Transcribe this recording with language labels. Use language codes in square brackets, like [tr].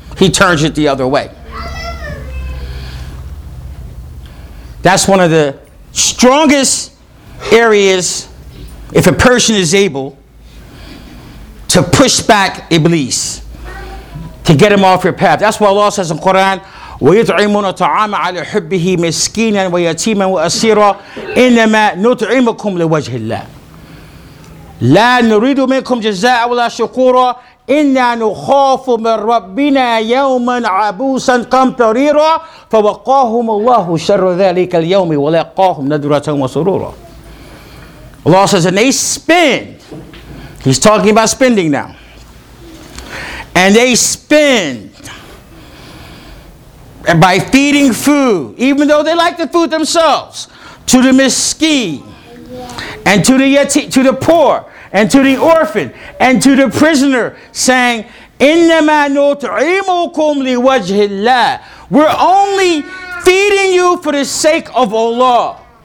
[en] He turns it the other way. That's one of the strongest areas if a person is able to push back Iblis, to get him off your path. That's why Allah says in Quran, [ar] وَيُطْعِمُونَ طَعَامَ عَلَى حُبِّهِ مِسْكِينًا وَيَتِيمًا وَأَسِيرًا إِنَّمَا نُطْعِمُكُمْ لِوَجْهِ اللَّهِ لَا نُرِيدُ مِنْكُمْ جَزَاءً وَلَا شُكُورًا إِنَّا نُخَافُ مِنْ رَبِّنَا يَوْمًا عَبُوسًا قَمْطَرِيرًا فَوَقَاهُمُ اللَّهُ شَرَّ ذَلِكَ الْيَوْمِ وَلَقَاهُمْ نَضْرَةً وَسُرُورًا [en] Allah says, and they spend. He's talking about spending now. And they spend. And by feeding food, even though they like the food themselves, to the miskeen, and to the to the poor, and to the orphan, and to the prisoner, saying, [ar] إِنَّمَا نُطْعِمُكُمْ لِوَجْهِ اللَّهِ [en] We're only feeding you for the sake of Allah.